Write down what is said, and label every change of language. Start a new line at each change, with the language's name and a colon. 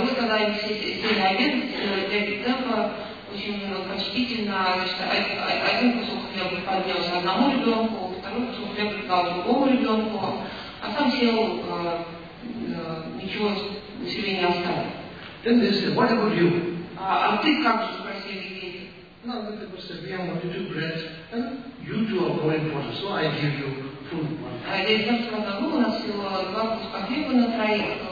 Russian: И вот когда сели обедать, дядя Темпа очень почтительно, значит, один кусок хлеба поднялся одному ребенку, второй кусок хлеба дал другому ребенку, а сам сел, ничего себе не оставил.
English: Then they said, what about you?
Russian: А ты как же спросили дети?
English: No, then they said, we have only two breads, and you two are more important, so I give you food.
Russian: А дядя Темпа сказал, у нас всего два куска хлеба на троих.